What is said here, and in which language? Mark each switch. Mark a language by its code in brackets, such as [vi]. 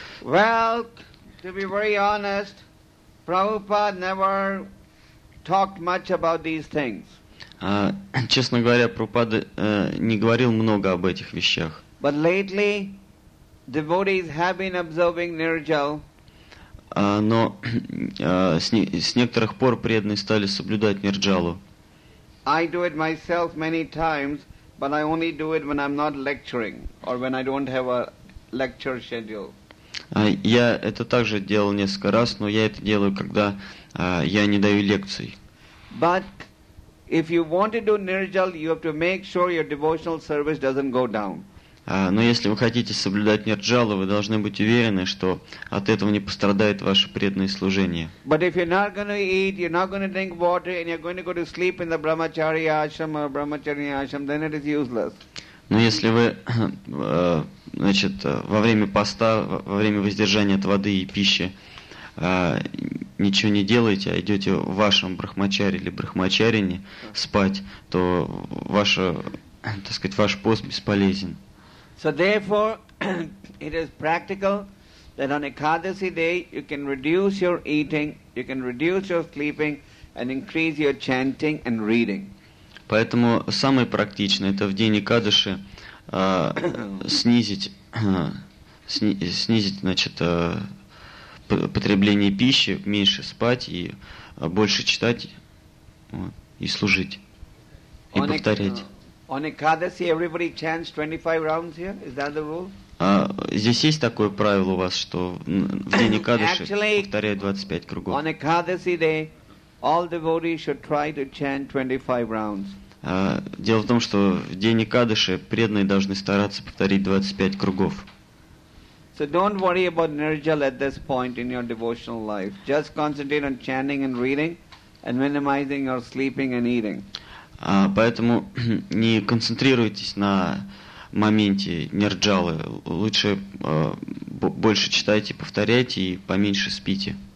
[en] Well, to be very honest, Prabhupada never talked much about these things. [ru] Честно говоря, Прабхупада не говорил много об этих вещах. [en] But lately, devotees have been observing nirjal. [ru] Но с некоторых пор преданные стали соблюдать нирджалу. [en] I do it myself many times. But I only do it when I'm not lecturing or when I don't have a lecture schedule. [ru] Я это также делал несколько раз, но я это делаю, когда я не даю лекций. [en] But if you want to do nirjal, you have to make sure your devotional service doesn't go down. [ru] Но если вы хотите соблюдать нирджалу, вы должны быть уверены, что от этого не пострадает ваше преданное служение. [en] But if you're not going to eat, you're not going to drink water, and you're going to go to sleep in the brahmachari ashram or brahmachari ashram, then it is useless. [ru] Но если вы, значит, во время поста, во время воздержания от воды и пищи ничего не делаете, а идете в вашем брахмачаре или брахмачарине спать, то ваше, так сказать, ваш пост бесполезен. [en] So therefore, it is practical that on Ekadasi day you can reduce your eating, you can reduce your sleeping, and increase your chanting and reading. [ru] Поэтому самое практичное это в день Экадаши снизить, значит, потребление пищи, меньше спать и больше читать и служить и повторять. [en] On Ekadasi, everybody chants 25 rounds here. Is that the rule? [ru] Здесь есть такое правило у вас, что в день Экадаши повторяют 25 кругов. [en] On Ekadasi day, all devotees should try to chant 25 rounds. [ru] Дело в том, что в день Экадаши преданные должны стараться повторить 25 кругов. [en] So don't worry about nirjal at this point in your devotional life. Just concentrate on chanting and reading, and minimizing your sleeping and eating. [ru] Поэтому не концентрируйтесь на моменте нирджалы. Лучше больше читайте, повторяйте и поменьше спите.